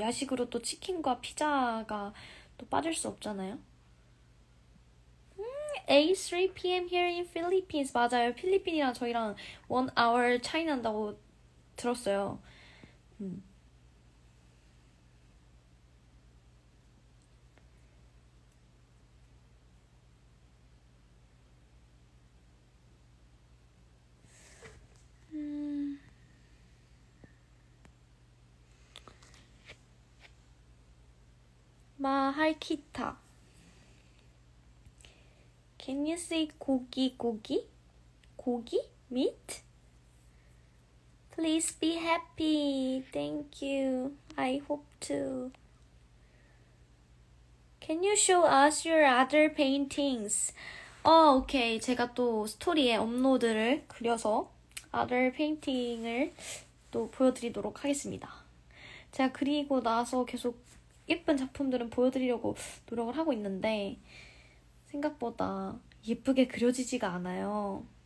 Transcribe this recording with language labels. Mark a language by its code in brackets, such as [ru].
[ko] 야식으로 또 치킨과 피자가 또 빠질 수 없잖아요. [en] A3PM here in Philippines. [ko] 맞아요. 필리핀이랑 저희랑 one hour 차이 난다고 들었어요. [tl] 마할키타. [en] Can you say 고기 고기? 고기? Meat? Please be happy. Thank you. I hope to. Can you show us your other paintings? 오케이. [ko] 제가 또 스토리에 업로드를 그려서 other painting 을 또 보여드리도록 하겠습니다. 제가 그리고 나서 계속 예쁜 작품들은 보여드리려고 노력을 하고 있는데, 생각보다 예쁘게 그려지지가 않아요.